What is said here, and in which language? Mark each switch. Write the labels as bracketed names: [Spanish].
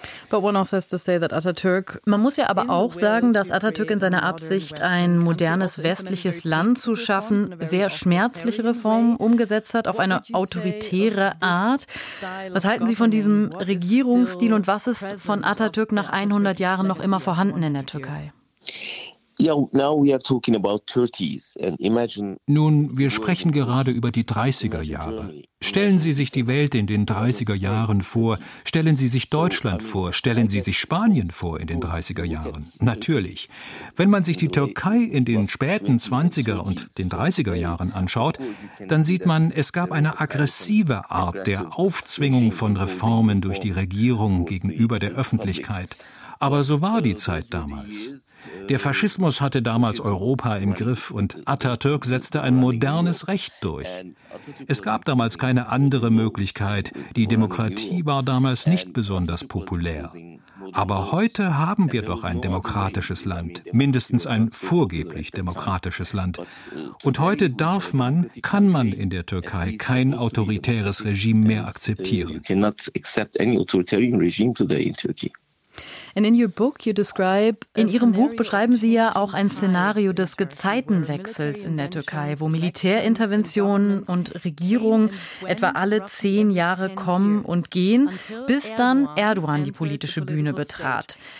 [English] But one also has to say that Atatürk. [German] Man muss ja aber auch sagen, dass Atatürk in seiner Absicht, ein modernes westliches Land zu schaffen, sehr schmerzliche Reformen umgesetzt hat, auf eine autoritäre Art. Was halten Sie von diesem Regierungsstil und was ist von Atatürk nach 100 Jahren noch immer vorhanden in der Türkei? [English] Yeah, now we are talking about 30s and imagine. [German] Nun, wir sprechen gerade über die 30er Jahre. Stellen Sie sich die Welt in den 30er Jahren vor. Stellen Sie sich Deutschland vor. Stellen Sie sich Spanien vor in den 30er Jahren. Natürlich. Wenn man sich die Türkei in den späten 20er und den 30er Jahren anschaut, dann sieht man, es gab eine aggressive Art der Aufzwingung von Reformen durch die Regierung gegenüber der Öffentlichkeit. Aber so war die Zeit damals. Der Faschismus hatte damals Europa im Griff und Atatürk setzte ein modernes Recht durch. Es gab damals keine andere Möglichkeit. Die Demokratie war damals nicht besonders populär. Aber heute haben wir doch ein demokratisches Land, mindestens ein vorgeblich demokratisches Land. Und heute darf man, kann man in der Türkei kein autoritäres Regime mehr akzeptieren. [English] You cannot accept any autoritarian regime today in Turkey. And in your book you describe, [German] in Ihrem Buch beschreiben Sie ja auch ein Szenario des Gezeitenwechsels in der Türkei, wo Militärinterventionen und Regierung etwa alle 10 Jahre kommen und gehen, bis dann Erdogan die politische Bühne betrat.